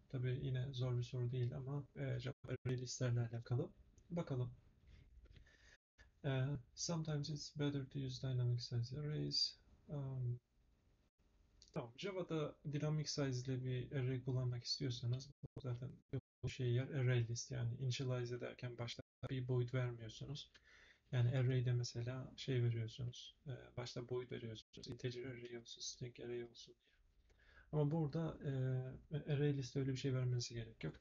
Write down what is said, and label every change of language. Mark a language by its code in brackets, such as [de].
[tr] Tabii yine zor bir soru değil ama cevap listelerle alakalı. Bakalım. [en] Sometimes it's better to use dynamic size arrays. [tr] Tamam, Java'da dynamic size ile bir array kullanmak istiyorsanız zaten bu şey yer array list, yani initialize ederken başta bir boyut vermiyorsunuz. Yani array'de mesela şey veriyorsunuz. Başta boyut veriyorsunuz. Integer array olsun, string array olsun diye. Ama burada array liste öyle bir şey vermenize gerek yok.